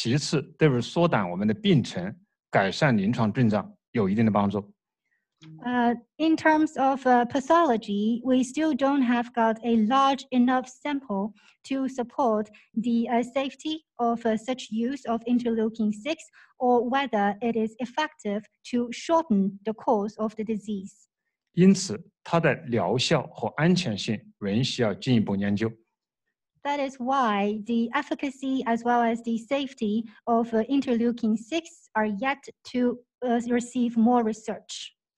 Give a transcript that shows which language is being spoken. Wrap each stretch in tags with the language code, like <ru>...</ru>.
<zh>初步的病例的研究没有大量的样本显示，首先它是安全的，其次，对于缩短我们的病程。改善临床症状有一定的帮助。</zh> <en>In terms of pathology, we still don't have got a large enough sample to support the safety of such use of interleukin 6 or whether it is effective to shorten the course of the disease.</en> <zh>因此，它的疗效和安全性仍需要进一步研究。</zh> <en>That is why the efficacy as well as the safety of interleukin 6 are yet to receive more research.</en>